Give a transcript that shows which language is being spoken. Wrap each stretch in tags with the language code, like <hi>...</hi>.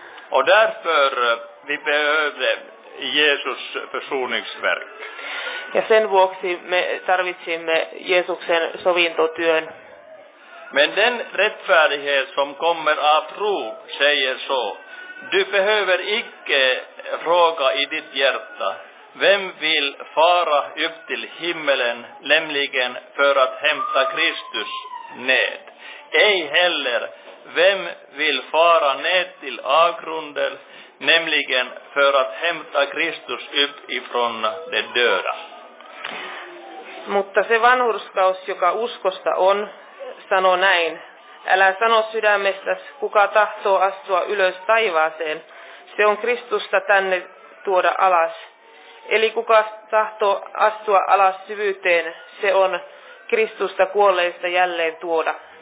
<sv>Och därför vi behövde Jesus försoningsverk.</sv> <fi>Ja sen vuoksi me tarvitsimme Jeesuksen sovintotyön.</fi> <sv>Men den rättfärdighet som kommer av tro säger så. Du behöver icke fråga i ditt hjärta. Vem vill fara upp till himmelen, nämligen för att hämta Kristus ned? Ej heller, vem vill fara ned till avgrunden, nämligen för att hämta Kristus upp ifrån det döda?</sv> <fi>Mutta se vanhurskaus, joka uskosta on, sano näin, älä sano sydämestäs, kuka tahtoo astua ylös taivaaseen, se on Kristusta tänne tuoda alas. Eli kuka tahtoo astua alas syvyyteen, se on Kristusta kuolleista jälleen tuoda.</fi>